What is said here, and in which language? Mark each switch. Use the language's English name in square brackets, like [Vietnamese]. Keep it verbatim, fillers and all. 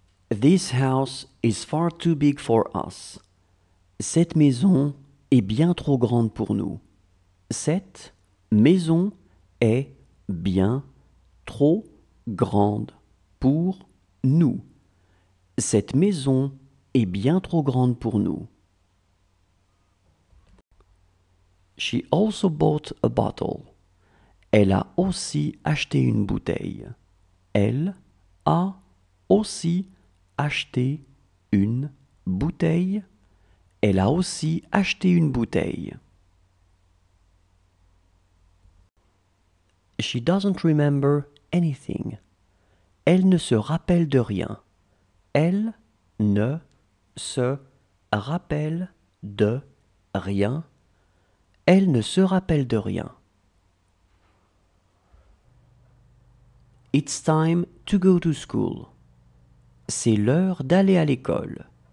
[English] This house is far too big for us. [French] Cette maison est bien trop grande pour nous. Cette maison est bien trop grande pour nous. Cette maison est bien trop grande pour nous. [English] She also bought a bottle. [French] Elle a aussi acheté une bouteille. Elle a aussi acheté une bouteille. Elle a aussi acheté une bouteille. [English] She doesn't remember anything. [French] Elle ne se rappelle de rien. Elle ne se rappelle de rien. Elle ne se rappelle de rien. [English] It's time to go to school. [French] C'est l'heure d'aller à l'école.